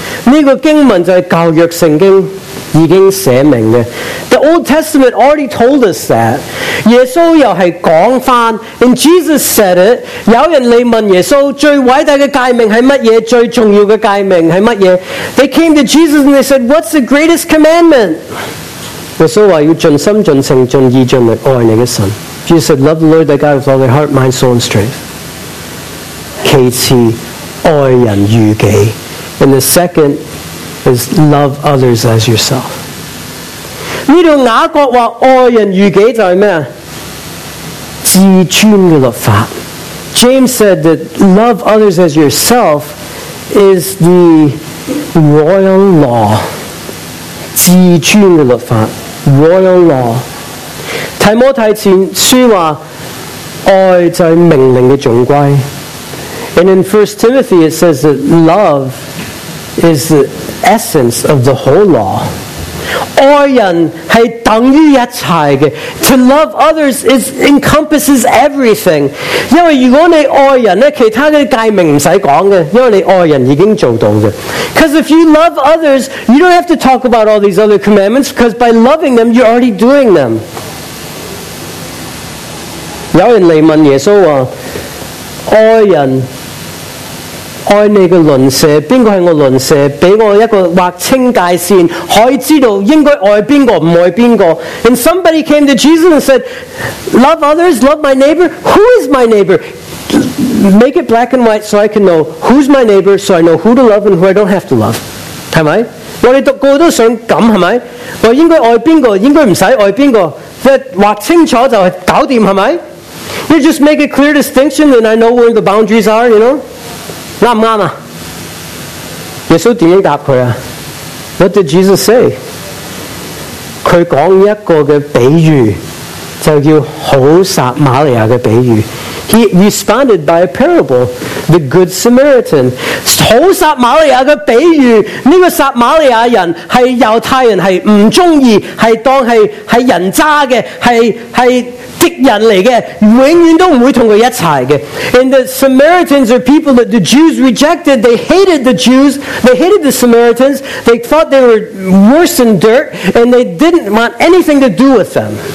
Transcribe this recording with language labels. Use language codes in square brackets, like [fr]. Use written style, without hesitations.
[zh] 这个经文就是旧约圣经已经写明的， [en] The Old Testament already told us that。 [zh] 耶稣又是讲翻， [en] And Jesus said it。 [zh] 有人来问耶稣最伟大的诫命是什么，最重要的诫命是什么。 [en] They came to Jesus and they said, what's the greatest commandment? [zh] 耶稣说要尽心尽性尽意尽力爱你的神。 [en] Jesus said, love the Lord thy God with all thy heart, mind, soul, and strength. [zh] 其次，爱人如己。 [en] And the second is love others as yourself. [zh] 这里雅各说爱人如己就是什么？自尊的律法。 [en] James said that love others as yourself is the royal law. [zh] 自尊的律法， [en] royal law. [zh] 提摩太前书话，爱就是命令的总归。 [en] And in 1 Timothy it says that love is the essence of the whole law. [zh] 爱人是等于一切的。 [en] To love others is encompasses everything. [zh] 因为如果你爱人，其他的诫命不用讲的，因为你爱人已经做到的。 [en] Because if you love others, you don't have to talk about all these other commandments, because by loving them, you're already doing them. [zh] 有人来问耶稣说，爱人爱你的邻舍，谁是我邻舍，给我一个划清界线，可以知道应该爱谁不爱谁。 [en] And somebody came to Jesus and said, love others, love my neighbor, who is my neighbor? Make it black and white so I can know who's my neighbor, so I know who to love and who I don't have to love. [zh] 是吗？我们读过都想这样，是吗？我应该爱谁，应该不用爱谁，就是划清楚就搞定，是吗？ [en] You just make a clear distinction and I know where the boundaries are, you know? [zh] 对不对？耶稣怎样答他啊？ [en] What did Jesus say? [zh] 他说一个的比喻，就叫好撒玛利亚的比喻。 [en] He responded by a parable, the Good Samaritan. [zh] 好撒玛利亚的比喻，这个撒玛利亚人是犹太人，是不喜欢，是当是人渣的，是敌人来的，永远都不会跟他一起的。 [en] And the Samaritans are people that the Jews rejected. They hated the Jews. They hated the Samaritans. They thought they were worse than dirt. And they didn't want anything to do with them.